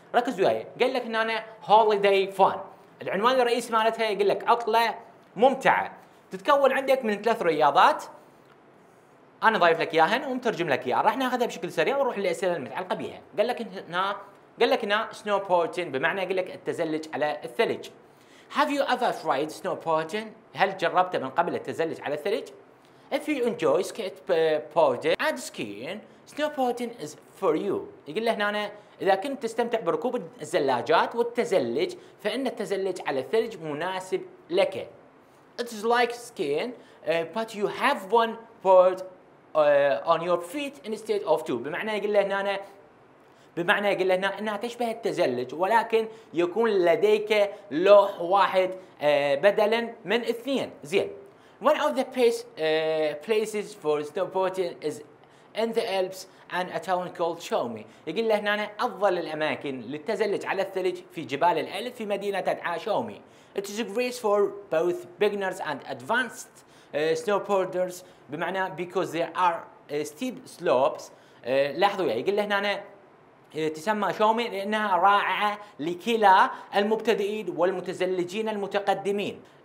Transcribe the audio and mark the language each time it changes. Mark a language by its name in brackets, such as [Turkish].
[Arabic] ركز وياي، قال لك هنا هوليداي فان، العنوان الرئيسي مالتها يقول لك عطلة ممتعة. تتكون عندك من ثلاث رياضات، أنا ضايف لك إياهن ومترجم لك إياها، راح ناخذها بشكل سريع ونروح للأسئلة المتعلقة بها. قال لك هنا سنو بورتين، بمعنى يقول لك التزلج على الثلج. [English] Have you ever tried snowboarding? [Arabic] هل جربت من قبل التزلج على الثلج؟ [English] If you enjoy skateboarding and skiing, snowboarding is for you. [Arabic] يقول له هنا أنا إذا كنت تستمتع بركوب الزلاجات والتزلج فإن التزلج على الثلج مناسب لك. [English] It is like skiing but you have one board on your feet instead of two. [Arabic] بمعنى يقول له هنا أنا بمعنى يقول لنا انها تشبه التزلج ولكن يكون لديك لوح واحد بدلا من اثنين. زين. [English] One of the places for snowboarding is in the Alps and a town called Chaumi. [Arabic] يقول لنا افضل الاماكن للتزلج على الثلج في جبال الألب في مدينه تدعى شاومي. [English] It is great for both beginners and advanced snowboarders [Arabic] بمعنى [English] because there are steep slopes. [Arabic] لاحظوا يقول لنا تسمى شاومي لأنها رائعة لكلا المبتدئين والمتزلجين المتقدمين.